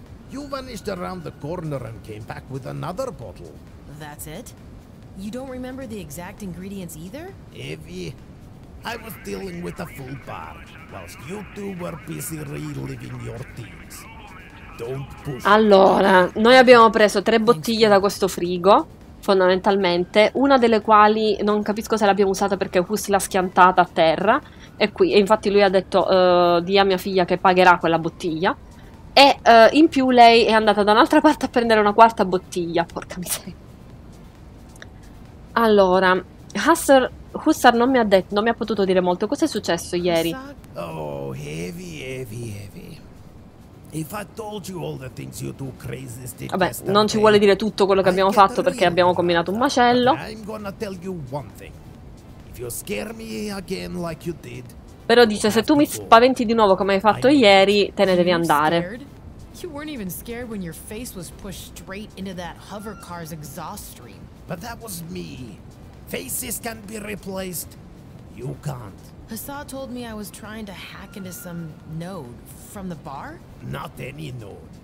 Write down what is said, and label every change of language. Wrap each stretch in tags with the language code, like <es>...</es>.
<en>You vanished around the corner and came back with another bottle. That's it? You don't remember the exact ingredients either? Evie, I was dealing with a full bar, whilst you two were busy reliving your teens. Don't push.</en> <it>Allora, noi abbiamo preso tre bottiglie da questo frigo. Fondamentalmente, una delle quali non capisco se l'abbiamo usata perché Hus l'ha schiantata a terra e qui, e infatti lui ha detto di a mia figlia che pagherà quella bottiglia e in più lei è andata da un'altra parte a prendere una quarta bottiglia, porca miseria. Allora, Hussar non mi ha detto, non mi ha potuto dire molto, cosa è successo ieri?</it> <en>Oh, heavy, heavy, heavy. If I told you all the things you two crazies did.</en> <it>Vabbè, non ci vuole dire tutto quello che abbiamo fatto perché abbiamo combinato un macello.</it> <en>I'm gonna tell you one thing. If you scare me again like you did.</en> <it>Però dice, se tu mi spaventi di nuovo come hai fatto ieri, te ne devi andare.</it> <en>You weren't even scared when your face was pushed straight into that hover car's exhaust stream. But that was me. Faces can be replaced. You can't. Hassan told me I was trying to hack into some node from the bar? Not any node.</en>